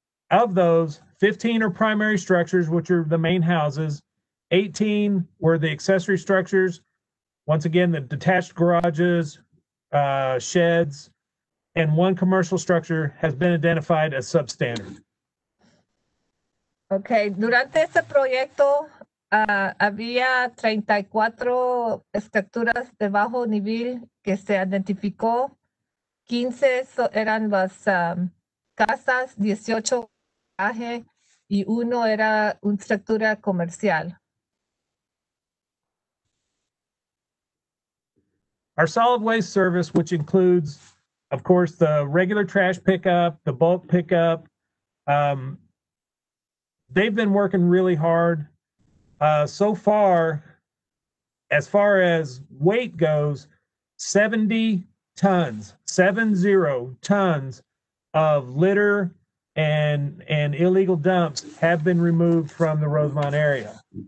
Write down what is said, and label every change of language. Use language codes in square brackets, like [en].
[en] Of those, 15 are primary structures, which are the main houses. 18 were the accessory structures. Once again, the detached garages, sheds, and one commercial structure has been identified as substandard. [es] Okay, durante este proyecto había 34 estructuras de bajo nivel que se identificó. 15 eran las casas, 18 garaje, y uno era una estructura comercial. [en] Our solid waste service, which includes, of course, the regular trash pickup, the bulk pickup, they've been working really hard. So far as weight goes, 70 tons, 70 tons of litter and illegal dumps have been removed from the Rosemont area.